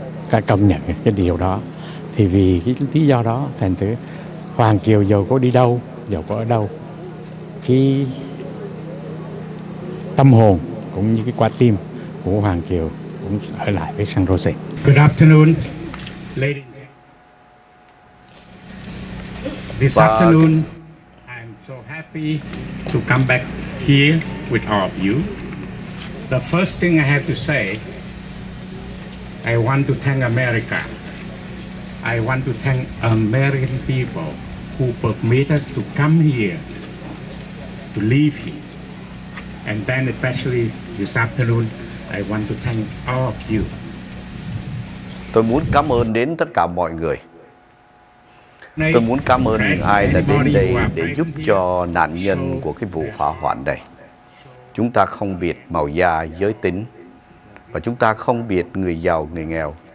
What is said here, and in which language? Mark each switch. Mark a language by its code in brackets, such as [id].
[vi] Các công nhận cái điều đó. Thì vì cái lý do đó, thành thử Hoàng Kiều dù có đi đâu, dù có ở đâu, cái tâm hồn cũng như cái quả tim của Hoàng Kiều cũng ở lại với San Jose. [en] Good afternoon, ladies. This afternoon, I'm so happy to come back here with all of you. The first thing I have to say, I want to thank America. I want to thank American people who permitted to come here, to live here. And then especially this afternoon, I want to thank all of you. [vi] Tôi muốn cảm ơn đến tất cả mọi người. Tôi muốn cảm ơn những ai đã đến đây để giúp cho nạn nhân của cái vụ hỏa hoạn này. Chúng ta không biết màu da, giới tính, và chúng ta không biết người giàu, người nghèo.